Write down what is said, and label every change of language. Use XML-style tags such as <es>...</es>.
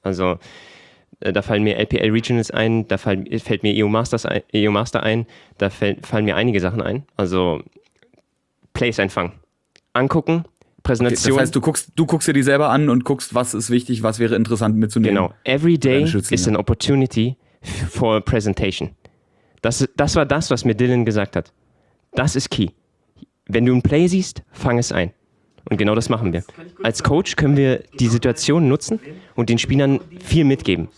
<de>Also da fallen mir LPL Regionals ein, da fällt mir EU Master ein, da fallen mir einige Sachen ein. Also Plays einfangen, angucken, Präsentation. Okay, das heißt, du guckst dir die selber an und guckst, was ist wichtig, was wäre interessant mitzunehmen.</de> <en>Genau, every day is an opportunity for presentation.</en> <de>Das war das, was mir Dylan gesagt hat. Das ist key. Wenn du ein Play siehst, fang es ein. Und genau das machen wir. Als Coach können wir die Situation nutzen und den Spielern viel mitgeben.</de>